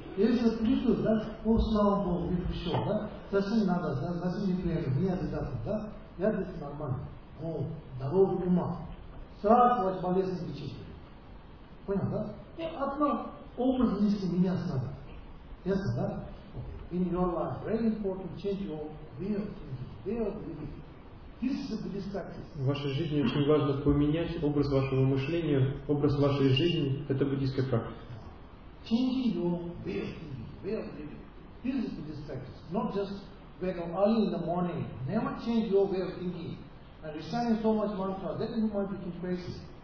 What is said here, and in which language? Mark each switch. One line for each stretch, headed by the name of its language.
Russian: Если я пришел, да? О, слава Богу, не пришел, да? Зачем надо, да? Зачем не приехал? Мне обязательно, да? Я здесь нормально. О, здоровый ума. Сразу ваш болезнь лечитель. Понял, да? И одна образ внести меня сразу. Ясно, да?
English: In your life, very important change your way of thinking, way of living. This is the Buddhist practice.
Russian: В вашей жизни очень важно поменять образ вашего мышления, образ вашей жизни. Это буддийская практика.
English: Changing your way of thinking, way of living. This is Buddhist practice. Not just wake up early in the morning. Never change your way of thinking. And reciting so much mantra, that is my thinking basis.